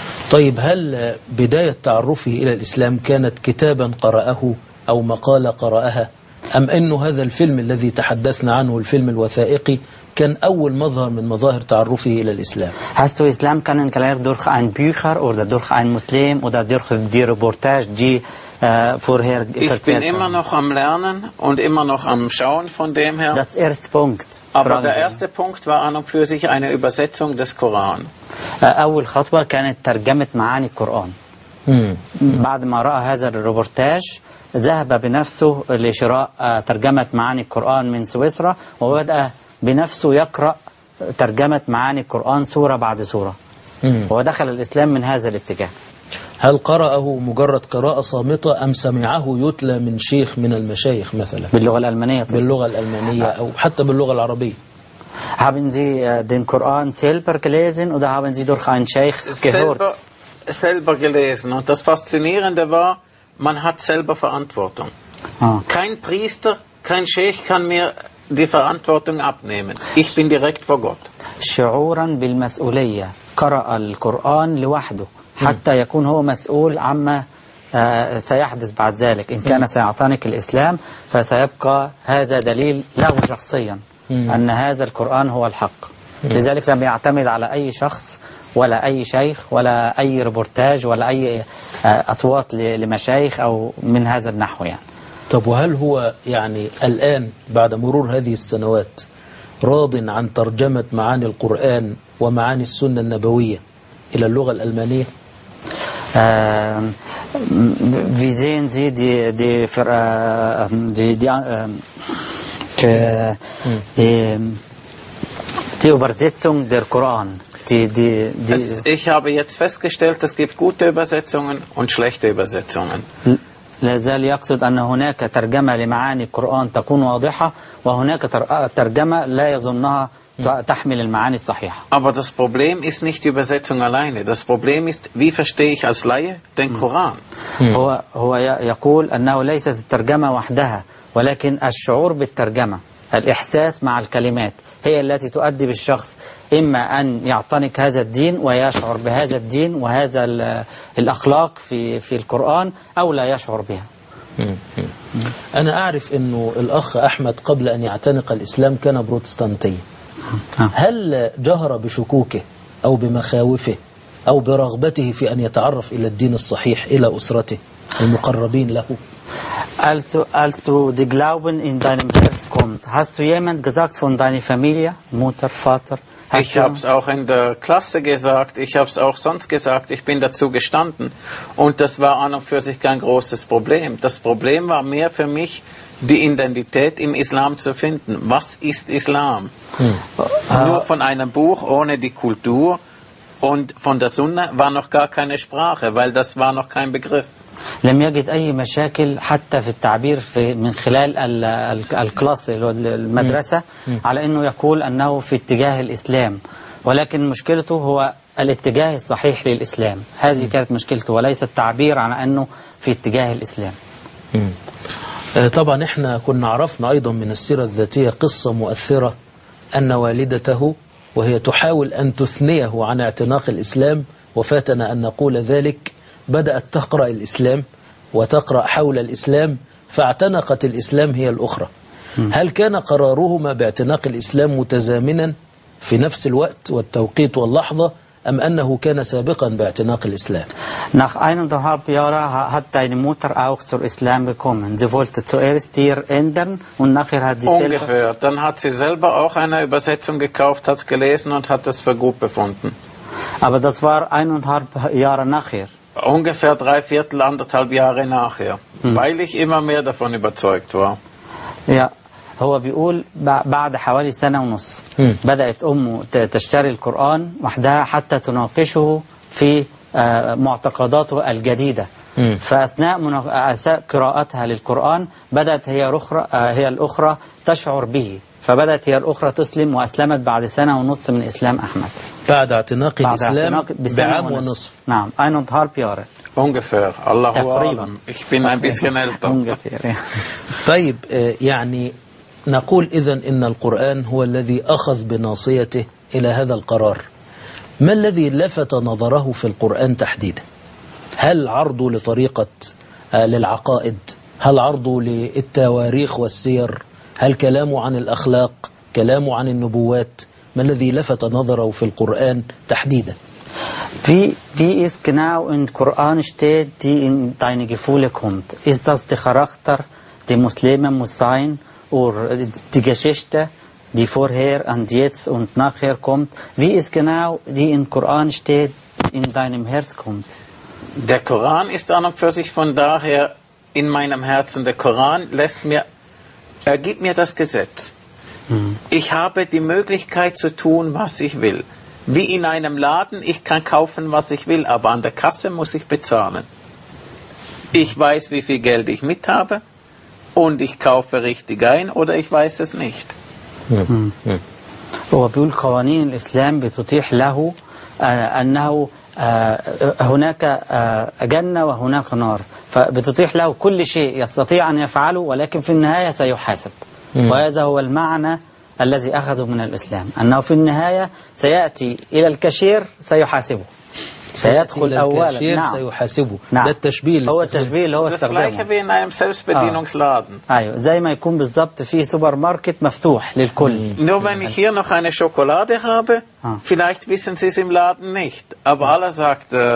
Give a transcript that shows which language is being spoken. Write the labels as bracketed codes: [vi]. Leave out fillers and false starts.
[ar] طيب، هل بداية تعرفه إلى الإسلام كانت كتابا قرأه أو مقالة قرأها، أم أنه هذا الفيلم الذي تحدثنا عنه، الفيلم الوثائقي، كان أول مظهر من مظاهر تعرفه إلى الإسلام. [de] Hast du Islam kennengelernt durch ein Bücher oder durch ein Muslim oder durch die Reportage, die vorher erzählt Ich bin immer noch am Lernen und immer noch am Schauen von dem her. Das erste Punkt. Aber der erste Punkt war an und für sich eine Übersetzung des Koran. [ar] أول خطوة كانت ترجمة معاني القرآن. بعد ما رأى هذا الروبرتاج ذهب بنفسه لشراء ترجمة معاني القرآن من سويسرا وبدأ بنفسه يقرأ ترجمة معاني القرآن سورة بعد سورة ودخل الإسلام من هذا الاتجاه هل قرأه مجرد قراءة صامتة أم سمعه يتلى من شيخ من المشايخ مثلا باللغة الألمانية طبعا. باللغة الألمانية أو حتى باللغة العربية [de] Haben Sie den Koran selber gelesen oder haben Sie durch einen Scheich gehört? Selber gelesen. Und das Faszinierende war, man hat selber Verantwortung. Kein Priester, kein Scheich kann mir die Verantwortung abnehmen. Ich bin direkt vor Gott. [ar] شعورا بالمسؤولية قرأ القرآن لوحده حتى يكون هو مسؤول عما سيحدث بعد ذلك. إن كان سيعتنق الإسلام فسيبقى هذا دليل له شخصيا أن هذا القرآن هو الحق. لذلك لم يعتمد على أي شخص ولا أي شيخ ولا أي ريبورتاج ولا أي أصوات لمشايخ أو من هذا النحو يعني. طب وهل هو يعني الآن بعد مرور هذه السنوات راض عن ترجمة معاني القرآن ومعاني السنة النبوية إلى اللغة الألمانية؟ [de] Wie sehen Sie die Übersetzung der Koran? Ich habe jetzt festgestellt, es gibt gute Übersetzungen und schlechte Übersetzungen. [ar] لازال يقصد أن هناك ترجمة لمعاني القرآن تكون واضحة وهناك ترجمة لا يظنها تحمل المعاني الصحيحة. [de] Aber das Problem ist nicht die Übersetzung alleine. Das Problem ist, wie verstehe ich als Laie den Koran? [ar] هو يقول أنه ليست الترجمة وحدها ولكن الشعور بالترجمة الإحساس مع الكلمات هي التي تؤدي بالشخص إما أن يعتنق هذا الدين ويشعر بهذا الدين وهذا الأخلاق في القرآن أو لا يشعر بها أنا أعرف أنه الأخ أحمد قبل أن يعتنق الإسلام كان بروتستانتي هل جهر بشكوكه أو بمخاوفه أو برغبته في أن يتعرف إلى الدين الصحيح إلى أسرته المقربين له [de] Als du die Glauben in deinem Herz kommt, hast du jemand gesagt von deiner Familie, Mutter, Vater? Ich habe es auch in der Klasse gesagt, ich habe es auch sonst gesagt, ich bin dazu gestanden. Und das war an und für sich kein großes Problem. Das Problem war mehr für mich, die Identität im Islam zu finden. Was ist Islam? Nur von einem Buch, ohne die Kultur und von der Sunna war noch gar keine Sprache, weil das war noch kein Begriff. [ar] لم يجد أي مشاكل حتى في التعبير في من خلال الكلاس المدرسة على أنه يقول أنه في اتجاه الإسلام ولكن مشكلته هو الاتجاه الصحيح للإسلام هذه كانت مشكلته وليس التعبير على أنه في اتجاه الإسلام طبعا إحنا كنا عرفنا أيضا من السيرة الذاتية قصة مؤثرة أن والدته وهي تحاول أن تثنيه عن اعتناق الإسلام وفاتنا أن نقول ذلك بدأت تقرأ الإسلام وتقرأ حول الإسلام فاعتنقت الإسلام هي الأخرى هل كان قرارهما باعتناق الإسلام متزامنا في نفس الوقت والتوقيت واللحظة أم أنه كان سابقا باعتناق الإسلام [de] Nach eineinhalb Jahren hat deine Mutter auch zur Islam gekommen Sie wollte zuerst dir ändern und nachher hat sie selber Ungefähr, dann hat sie selber auch eine Übersetzung gekauft hat es gelesen und hat es für gut befunden Aber das war eineinhalb Jahre nachher Ungefähr drei Viertel, anderthalb Jahre nachher, weil ich immer mehr davon überzeugt war. [ar] Ja, هو بيقول بعد حوالي سنة ونص بدأت أمه تشتري القرآن وحدها حتى تناقشه في معتقداته الجديدة. فأثناء قراءتها للقرآن بدأت هي الأخرى تشعر به. فبدأت هي الأخرى تسلم وأسلمت بعد سنة ونص من إسلام أحمد. بعد اعتناق الإسلام بعام ونص. نعم. أين انتهار بياره؟ [de] ungefähr. الله [ar] تقريبا. [de] ich bin ein bisschen älter. ungefähr. [ar] طيب يعني نقول إذن إن القرآن هو الذي أخذ بناصيته إلى هذا القرار. ما الذي لفت نظره في القرآن تحديدا؟ هل عرضه لطريقة للعقائد؟ هل عرضه للتواريخ والسير؟ هل كلامه عن الأخلاق كلامه عن النبوات؟ ما الذي لفت نظره في القرآن تحديدا؟ [de] Wie ist genau in Koran steht, die in deine Gefühle kommt? Ist das der Charakter, die Muslime muss sein, oder die Geschichte, die vorher und jetzt und nachher kommt? Wie ist genau, die in Koran steht, in deinem Herz kommt? Der Koran ist an und für sich von daher in meinem Herzen. Der Koran lässt mir, er gibt mir das Gesetz. Ich habe die Möglichkeit zu tun, was ich will. Wie in einem Laden, ich kann kaufen, was ich will, aber an der Kasse muss ich bezahlen. Ich weiß, wie viel Geld ich mit habe und ich kaufe richtig ein oder ich weiß es nicht. [ar] وبيقول قوانين الإسلام بتتيح له أنه هناك جنة وهناك نار فبتتيح له كل شيء يستطيع أن يفعله ولكن في النهاية سيحاسب وهذا هو المعنى الذي أخذه من الإسلام أنه في النهاية سيأتي إلى الكاشير سيحاسبه سيدخل أولا سيحاسبه ده التشبيه هو التشبيه اللي هو استخدامه أيوه زي ما يكون بالضبط في سوبر ماركت مفتوح للكل [de] nur wenn ich hier noch eine Schokolade habe vielleicht wissen Sie es im Laden nicht aber Allah sagt